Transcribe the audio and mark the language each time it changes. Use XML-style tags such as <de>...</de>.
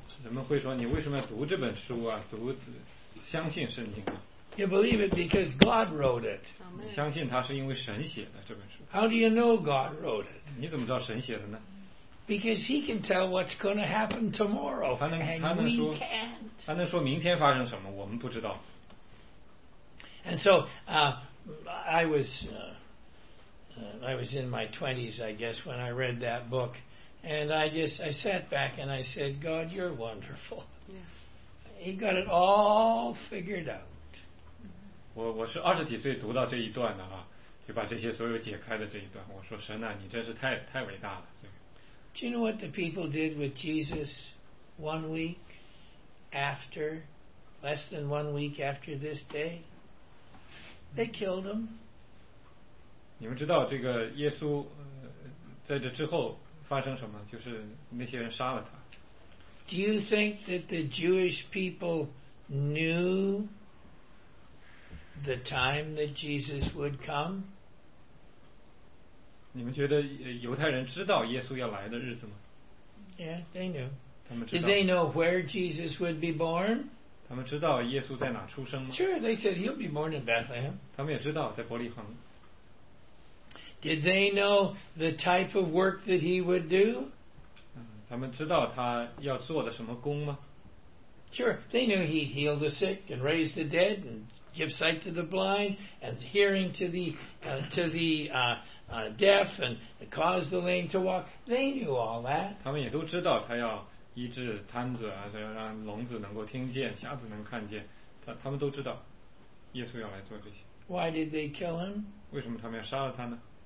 <zh>人们会说，你为什么要读这本书啊？读，相信圣经啊。</zh> <en>You believe it because God wrote it.</en> <zh>你相信它是因为神写的这本书。</zh> <en>How do you know God wrote it?</en> <zh>你怎么知道神写的呢？</zh> <en>Because he can tell what's going to happen tomorrow, and we can't. And so, I was in my 20s, I guess, when I read that book, and I sat back and I said, God, you're wonderful. Yes. He got it all figured out.</en> <zh>我是二十几岁读到这一段的啊，就把这些所有解开的这一段，我说神啊，你真是太伟大了。</zh> <en>Do you know what the people did with Jesus one week after, less than one week after this day? They killed him.</en> <zh>你们知道这个耶稣在这之后发生什么？就是那些人杀了他。</zh> <en>Do you think that the Jewish people knew the time that Jesus would come?</en> <zh>你们觉得犹太人知道耶稣要来的日子吗？</zh> <en>Yeah, they knew.</en> <zh>他们知道。</zh> <en>Did they know where Jesus would be born?</en> <zh>他们知道耶稣在哪出生吗？</zh> <en>Sure, they said he'll be born in Bethlehem.</en> <zh>他们也知道在伯利恒。</zh> <en>Did they know the type of work that he would do?</en> <zh>他们知道他要做的什么工吗？</zh> <en>Sure, they knew he'd heal the sick and raise the dead and give sight to the blind and hearing to the deaf and cause the lame to walk. They knew all that.</en> <zh>他们也都知道他要医治瘫子啊，要让聋子能够听见，瞎子能看见。他们都知道，耶稣要来做这些。</zh> <en>Why did they kill him?</en> <zh>为什么他们要杀了他呢？</zh>